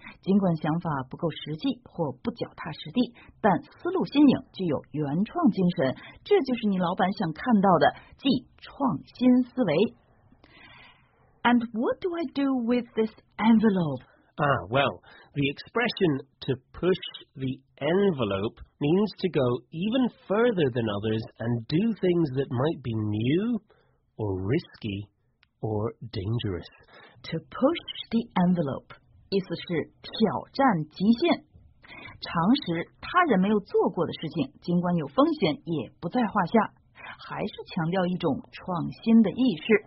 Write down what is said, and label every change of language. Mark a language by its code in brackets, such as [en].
[zh] 尽管想法不够实际或不脚踏实地，但思路新颖，具有原创精神，这就是你老板想看到的，即创新思维。 [en] And what do I do with this envelope? Ah, well, the expression to push the envelope means to go even further than others and do things that might be new or risky or dangerous. To push the envelope. [zh] 意思是挑战极限，尝试他人没有做过的事情，尽管有风险也不在话下，还是强调一种创新的意识。